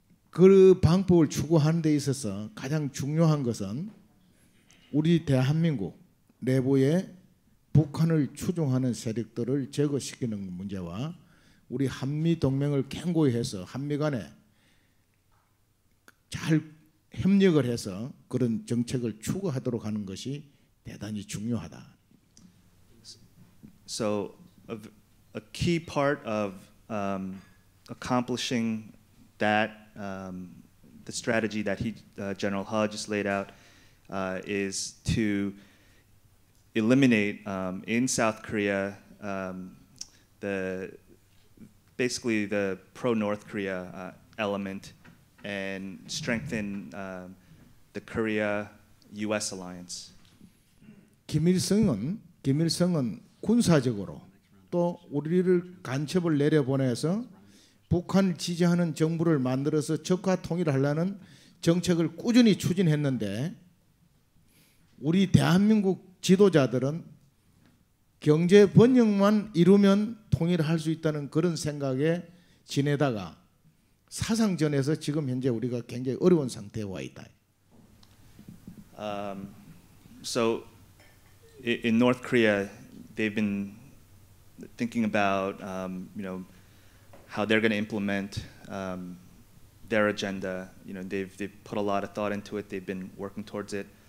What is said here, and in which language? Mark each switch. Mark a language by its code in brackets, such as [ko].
[ko] 그 방법을 추구하는 데 있어서 가장 중요한 것은 우리 대한민국 내부에 북한을 추종하는 세력들을 제거시키는 문제와 우리 한미동맹을 견고히 해서 한미 간에 잘 협력을 해서 그런 정책을 추구하도록 하는 것이 대단히 중요하다. [en] So a key part of accomplishing that the strategy that he General Ha just laid out is to eliminate in South Korea the pro-North Korea element and strengthen the Korea-U.S. alliance. [ko] 김일성은 군사적으로 또 우리를 간첩을 내려보내서 북한 지지하는 정부를 만들어서 적과 통일하려는 정책을 꾸준히 추진했는데 우리 대한민국 지도자들은 경제 번영만 이루면 통일할 수 있다는 그런 생각에 지내다가 사상전에서 지금 현재 우리가 굉장히 어려운 상태에 와 있다. [en] So in North Korea, they've been thinking about you know how they're going to implement their agenda. You know, they've put a lot of thought into it. They've been working towards it.